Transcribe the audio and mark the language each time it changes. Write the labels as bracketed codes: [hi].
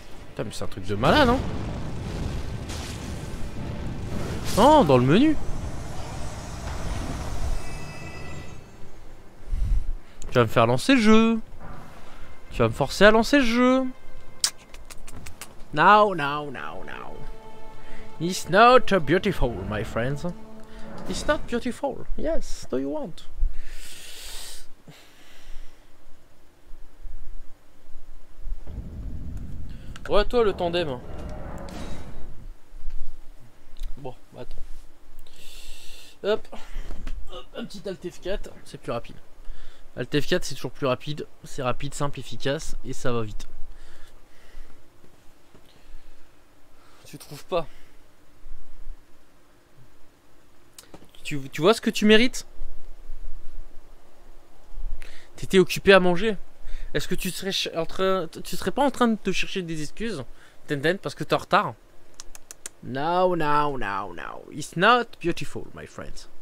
[fr] Putain, mais c'est un truc de malade, hein. Non, dans le menu. Tu vas me faire lancer le jeu. Tu vas me forcer à lancer le jeu. [en] Now, now, now, now. It's not beautiful, my friends. It's not beautiful. Yes, do you want? [fr] Ouais, toi, le tandem. Bon, attends. Hop. Un petit Alt F4, c'est plus rapide. Alt F4, c'est toujours plus rapide. C'est rapide, simple, efficace et ça va vite. Tu trouves pas? Tu vois ce que tu mérites? T'étais occupé à manger. Est-ce que tu serais pas en train de te chercher des excuses, Tenten, parce que t'es en retard? [en] No. It's not beautiful, my friend.